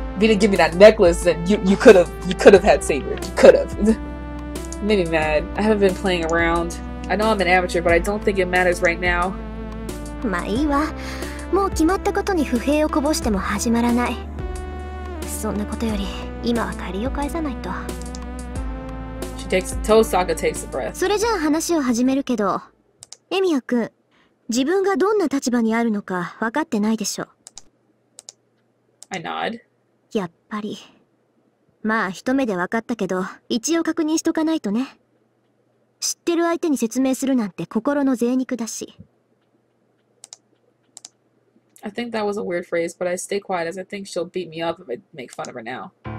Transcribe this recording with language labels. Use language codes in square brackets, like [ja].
[en] If you didn't give me that necklace, then you could have had Saber. You could have. Maybe mad. I haven't been playing around. I know I'm an amateur, but I don't think it matters right now. [ja] まあ、いいわ。もう決まったことに不平をこぼしても始まらない。そんなことより今は借りを返さないと。 [en] She takes Tosaka takes a breath。 [ja] それじゃあ話を始めるけど、エミヤ君、自分がどんな立場にあるのか分かってないでしょ。 [en] I nod。 [ja] やっぱり。まあ、一目で分かったけど、一応確認しとかないとね。知ってる相手に説明するなんて心の贅肉だし。 [en] I think that was a weird phrase, but I stay quiet as I think she'll beat me up if I make fun of her now.